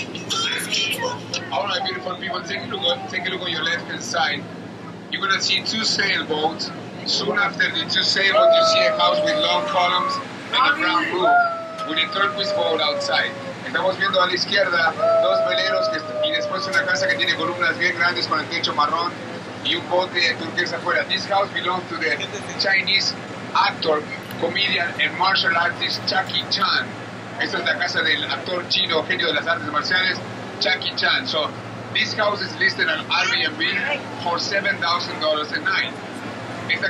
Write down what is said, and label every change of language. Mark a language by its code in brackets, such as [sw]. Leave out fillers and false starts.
[en] All right, beautiful people, take a look on your left hand side. You're gonna see two sailboats. Soon after the two sailboats, you see a house with long columns and a brown roof with a turquoise boat outside. [es] Estamos viendo a la izquierda dos veleros y después una casa que tiene columnas bien grandes con el techo marrón y un bote turquesa afuera. [en] This house belongs to the Chinese actor, comedian, and martial artist Jackie Chan. [es] Esta es la casa del actor chino, genio de las artes marciales, Jackie Chan. [en] So, this house is listed on Airbnb for $7,000 a night.